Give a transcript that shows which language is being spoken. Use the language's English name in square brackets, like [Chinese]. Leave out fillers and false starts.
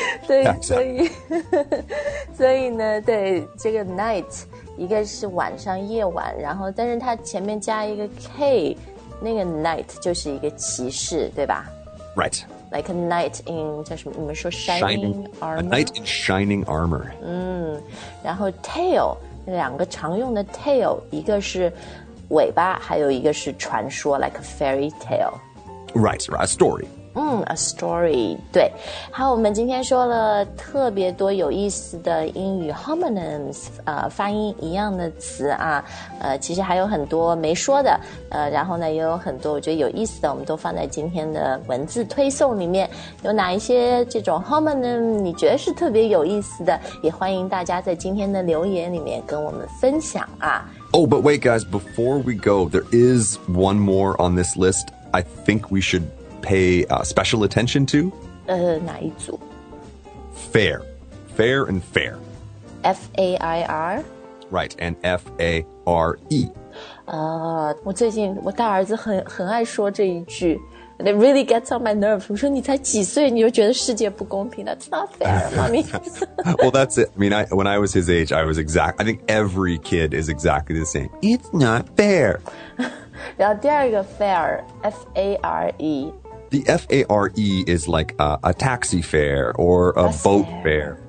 [Chinese] 对，所以呢，对这个 night， 一个是晚上夜晚，然后但是它前面加一个 k， 那个 night 就是一个骑士，对吧 [English] ？Right. Like a knight in [Chinese] 叫什么？ 你们说 [English] shining armor? A knight in shining armor. [Chinese] 然后 tail 两个常用的 tail， 一个是尾巴，还有一个是传说 ， [English] like a fairy tale. Right, a story. A story, 对。 [Chinese] 好，我们今天说了特别多有意思的英语 homonyms, 发音一样的词啊，其实还有很多没说的，然后呢，也有很多我觉得有意思的，我们都放在今天的文字推送里面。有哪一些这种 homonym 你觉得是特别有意思的，也欢迎大家在今天的留言里面跟我们分享啊。 [English] Oh, but wait, guys, before we go, there is one more on this list. I think we should pay special attention to? [Chinese] 哪一组? [English] Fair. Fair and fair. F-A-I-R? Right, and F-A-R-E. [Chinese] 我最近我大儿子很爱说这一句 [English] and it really gets on my nerves. [Chinese] 我说你才几岁你就觉得世界不公平 [English] That's not fair, mommy. Well, that's it. I mean, when I was his age, I was I think every kid is exactly the same. It's not fair. [Chinese] 然后第二个 fare, F-A-R-E. [English] The F-A-R-E is like a taxi fare or a boat fare.